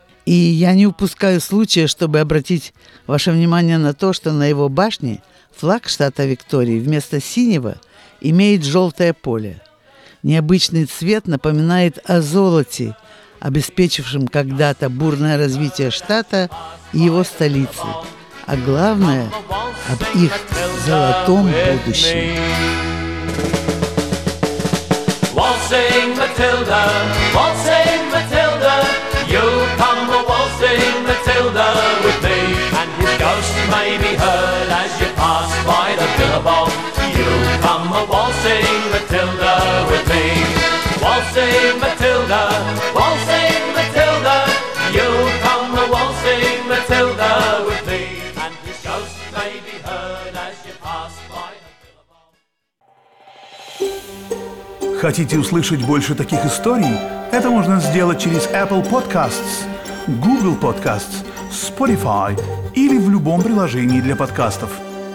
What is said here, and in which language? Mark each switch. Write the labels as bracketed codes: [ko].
[ru] И я не упускаю случая, чтобы обратить ваше внимание на то, что на его башне флаг штата Виктории вместо синего имеет желтое поле. Необычный цвет напоминает о золоте, обеспечившем когда-то бурное развитие штата и его столицы. А главное, об их золотом будущем. [en] Waltzing Matilda, waltzing Matilda, you'll come a waltzing Matilda with me. And your ghost may be heard as you pass by the billabong. You'll come a waltzing Matilda with me. Waltzing Matilda, waltzing Matilda, you'll come a waltzing Matilda with me. And your ghost may be heard as you pass by the billabong. [ru] Хотите услышать больше таких историй? Это можно сделать через Apple Podcasts, Google Podcasts, Spotify или в любом приложении для подкастов.